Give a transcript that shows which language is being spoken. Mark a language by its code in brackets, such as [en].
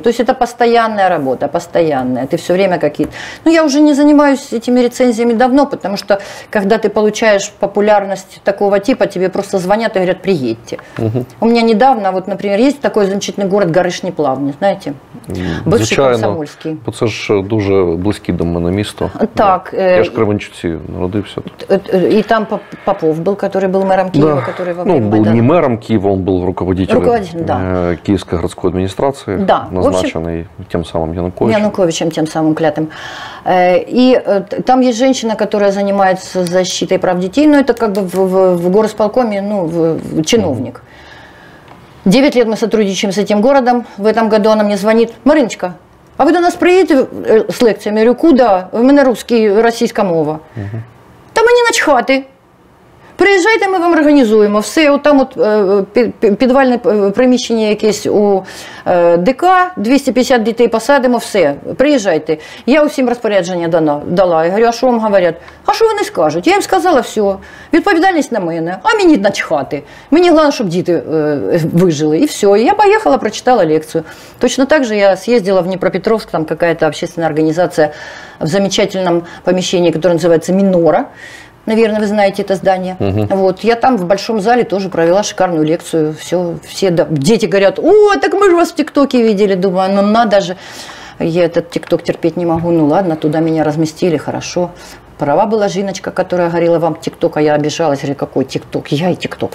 [ru] То есть это постоянная работа, постоянная. Ты все время какие-то... Ну, я уже не занимаюсь этими рецензиями давно, потому что, когда ты получаешь популярность такого типа, тебе просто звонят и говорят, приедьте. Угу. У меня недавно, вот, например, есть такой замечательный город Гарышні-Плавні, знаете? Бывший Комсомольский. [uk] Это же дуже близкий до мене місто. Так. [ru] Да. [uk] Я ж кременчуці народився тут. [ru] И там Попов был, который был мером Киева, да. Который во время... Ну, он был не мером Киева, он был руководителем. Руководителем, да. Киевской городской администрации, да, назначенный общем, тем самым Януковичем. Януковичем, тем самым клятым. И там есть женщина, которая занимается защитой прав детей, но это как бы в горосполкоме, ну, в чиновник. 9 лет мы сотрудничаем с этим городом, в этом году она мне звонит, Мариночка, а вы до нас приедете с лекциями? Я говорю, куда? У меня русский, российская мова. Угу. Там они начхаты. [uk] Приїжджайте, ми вам організуємо все. От там от підвальне приміщення якесь у ДК, 250 дітей посадимо, все, приїжджайте. Я усім розпорядження дала. Я говорю, а що вам говорять? А що вони скажуть? Я їм сказала, все, відповідальність на мене, а мені начхати. Мені головне, щоб діти вижили. І все, я поїхала, прочитала лекцію. Точно так же я з'їздила в Дніпропетровськ, там якась общественна організація в замечательному поміщенні, яке називається «Мінора». [ru] Наверное, вы знаете это здание. Угу. Вот. Я там в большом зале тоже провела шикарную лекцию. Дети говорят, о, так мы же вас в ТикТоке видели. Думаю, ну надо же. Я этот ТикТок терпеть не могу. Ну ладно, туда меня разместили, хорошо. Права была Жиночка, которая говорила вам ТикТок, а я обижалась. Говорю, какой ТикТок? Я и ТикТок.